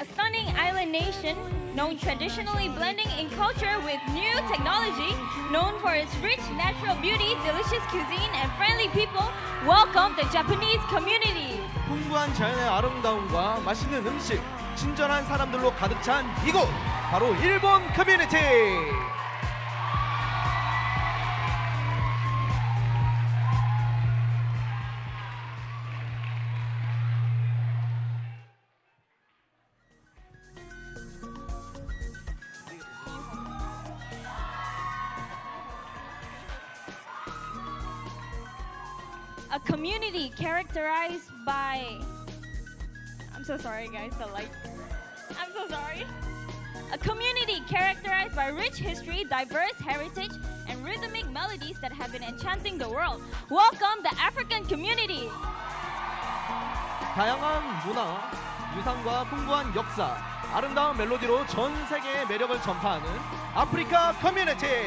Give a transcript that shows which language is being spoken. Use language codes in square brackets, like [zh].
[en] 아 stunning island nation known traditionally blending in culture with new technology, known for its rich natural beauty, delicious cuisine and friendly people. Welcome the Japanese community. [ko] 풍부한 자연의 아름다움과 맛있는 음식, 친절한 사람들로 가득 찬 이곳 바로 일본 커뮤니티. [en] A community characterized by... I'm so sorry guys, the light. I'm so sorry. A community characterized by rich history, diverse heritage, and rhythmic melodies that have been enchanting the world. Welcome the African community! [ko] 다양한 문화, 유산과 풍부한 역사, 아름다운 멜로디로 전 세계의 매력을 전파하는 아프리카 커뮤니티!